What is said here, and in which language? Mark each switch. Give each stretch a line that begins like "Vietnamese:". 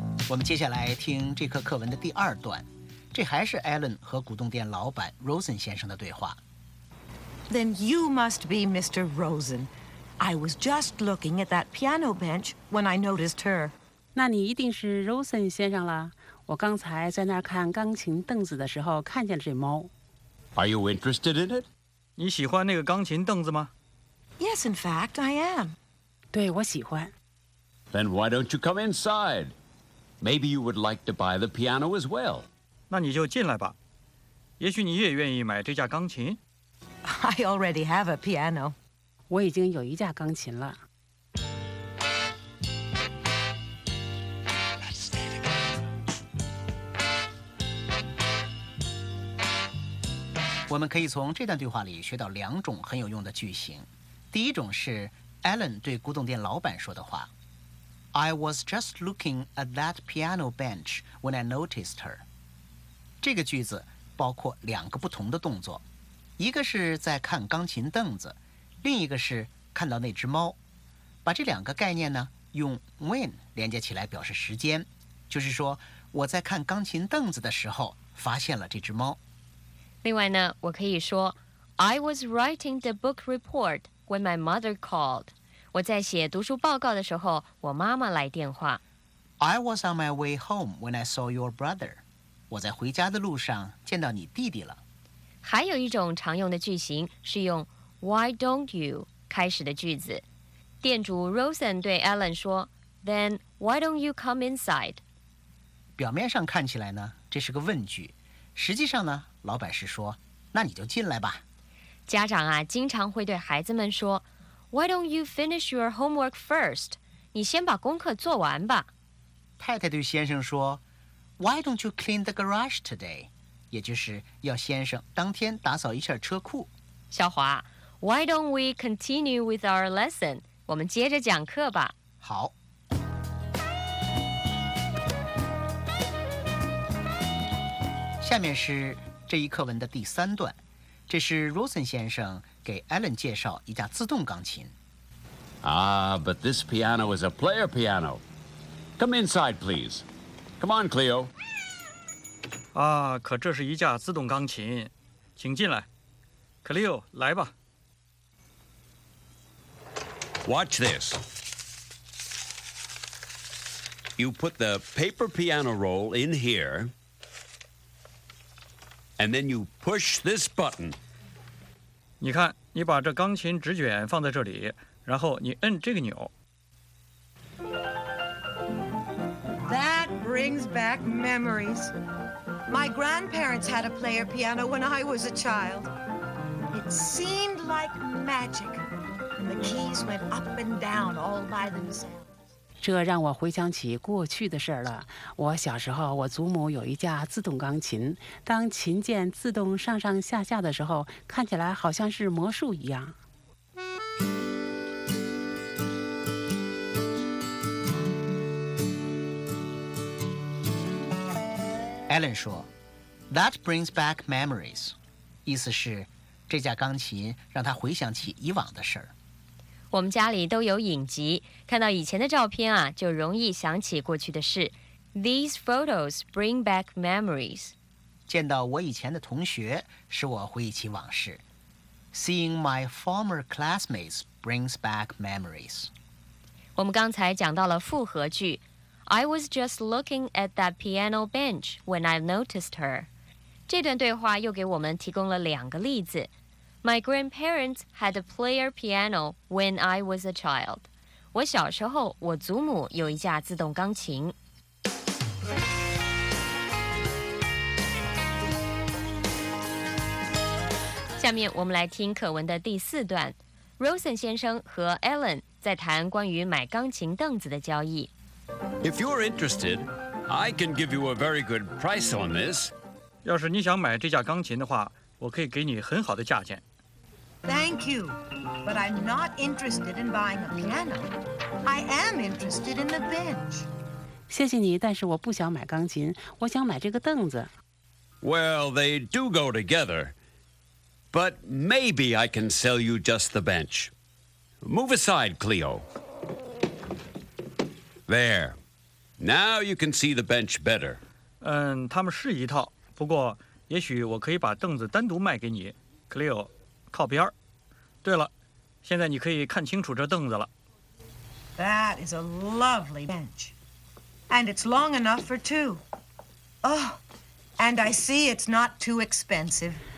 Chinese: 我们接下来听这课课文的第二段。这还是 Alan 和古董店老板 Rosen 先生的对话。
English: Then you must be Mr. Rosen. I was just looking at that piano bench when I noticed her.
Chinese: 那你一定是 Rosen 先生了。我刚才在那儿看钢琴凳子的时候看见了这猫。
English: Are you interested in it?
Chinese: 你喜欢那个钢琴凳子吗？
English: Yes, in fact, I am.
Chinese: 对，我喜欢。
English: Then why don't you come inside? Maybe you would like to buy the piano as well.
Chinese: 那你就进来吧。也许你也愿意买这架钢琴。
English: I already have a piano.
Chinese: 我已经有一架钢琴了。我们可以从这段对话里学到两种很有用的句型。第一种是 Alan 对古董店老板说的话。
English: I was just looking at that piano bench when I noticed her.
Chinese: 这个句子包括两个不同的动作，一个是在看钢琴凳子，另一个是看到那只猫。把这两个概念呢，用 when 连接起来表示时间，就是说我在看钢琴凳子的时候发现了这只猫。另外呢，我可以说
English: I was writing the book report when my mother called.
Chinese: 我在写读书报告的时候，我妈妈来电话。
English: I was on my way home when I saw your brother.
Chinese: 我在回家的路上见到你弟弟了。还有一种常用的句型是用 Why don't you 开始的句子。店主
English: Rosen 对 Alan 说 Then why don't you come inside?
Chinese: 表面上看起来呢，这是个问句。实际上呢，老板是说那你就进来吧。家长啊，经常会对孩子们说
English: Why don't you finish your homework first?
Chinese: 你先把功课做完吧。太太对先生说
English: Why don't you clean the garage today?
Chinese: 也就是要先生当天打扫一下车库。
English: 小华 Why don't we continue with our lesson?
Chinese: 我们接着讲课吧。好。下面是这一课文的第三段。这是 Rosen 先生给 Alan 介绍一架自动钢琴。
English: Ah, but this piano is a player piano. Come inside, please. Come on, Cleo.
Chinese: 啊，可这是一架自动钢琴，请进来。 Cleo, 来吧。
English: Watch this. You put the paper piano roll in here, and then you push this button.
Chinese: 你看，你把这钢琴纸卷放在这里，然后你摁这个钮。
English: That brings back memories. My grandparents had a player piano when I was a child. It seemed like magic. The keys went up and down all by themselves.
Chinese: 这让我回想起过去的事了。我小时候，我祖母有一架自动钢琴，当琴键自动上上下下的时候，看起来好像是魔术一样。 Alan 说
English: That brings back memories，
Chinese: 意思是这架钢琴让他回想起以往的事。我们家里都有影集，看到以前的照片啊，就容易想起过去的事。
English: These photos bring back memories.
Chinese: 见到我以前的同学，使我回忆起往事。
English: Seeing my former classmates brings back memories.
Chinese: 我们刚才讲到了复合句。
English: I was just looking at that piano bench when I noticed her.
Chinese: 这段对话又给我们提供了两个例子。
English: My grandparents had a player piano when I was a child.
Chinese: 我小时候，我祖母有一架自动钢琴。下面我们来听课文的第四段。Rosen 先生和 Alan 在谈关于买钢琴凳子的交易。
English: If you're interested, I can give you a very good price on this.
Chinese: 要是你想买这架钢琴的话，我可以给你很好的价钱。
English: Thank you, but I'm not interested in buying a piano. I am interested in the bench.
Chinese: 谢谢你，但是我不想买钢琴，我想买这个凳子。
English: Well, they do go together. But maybe I can sell you just the bench. Move aside, Cleo. There. Now you can see the bench better.
Chinese: 嗯，他们是一套，不过也许我可以把凳子单独卖给你 Cleo， 靠边。对了，现在你可以看清楚这凳子了。
English: That is a lovely bench. And it's long enough for two. Oh, and I see it's not too expensive.